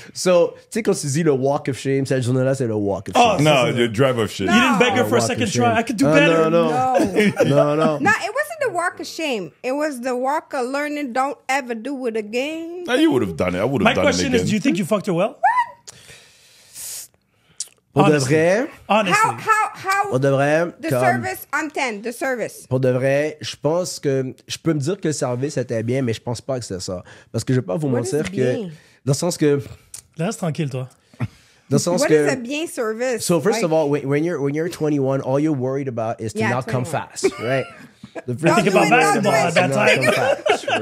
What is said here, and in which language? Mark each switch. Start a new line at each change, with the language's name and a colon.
French: So, tu sais, quand tu dis le walk of shame, cette journée-là, c'est le walk of shame.
English: Oh, no, the drive of shame. No. You didn't beg her for a second try. I could do better. No. No, it wasn't the walk of shame. It was the walk of learning, don't ever do it again. You would have done it. I would have done it again. My question is, do you think you fucked her well?
French: Pour de vrai,
English: honestly, the service.
French: Pour de vrai, je pense que je peux me dire que le service était bien, mais je pense pas que c'est ça. Parce que je vais pas vous mentir que, dans le sens que, laisse tranquille toi. Dans le sens
English: what
French: que,
English: what is a bien service? So first like, of all, when you're 21, all you're worried about is to not 21. Come fast, right? The first thing about basketball at that time,